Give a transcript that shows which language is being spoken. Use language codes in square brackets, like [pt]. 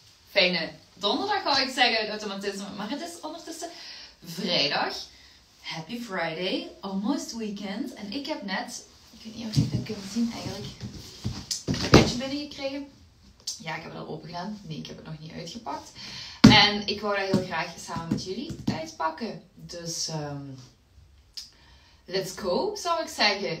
[nl] Fijne donderdag, wou ik zeggen, automatisme. Maar het is ondertussen vrijdag. [en] Happy Friday, almost weekend. [nl] En ik heb net, ik weet niet of je dat kunt zien eigenlijk, een pakketje binnengekregen. Ja, ik heb het al open gedaan. Nee, ik heb het nog niet uitgepakt. En ik wou dat heel graag samen met jullie uitpakken. Dus, [en] let's go, [nl] zou ik zeggen.